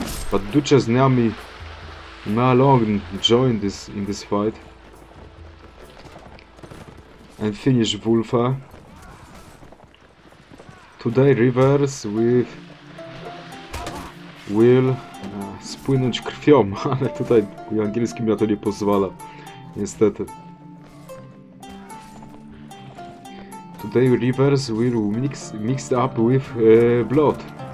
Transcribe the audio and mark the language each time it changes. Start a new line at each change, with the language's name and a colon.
English: But Duchess Nami Malong joined in this fight and finished Wulfa. Today rivers will
Polish: spłynąć krwią, ale tutaj w angielskim ja to nie pozwala, niestety.
English: Today rivers will mixed up with blood.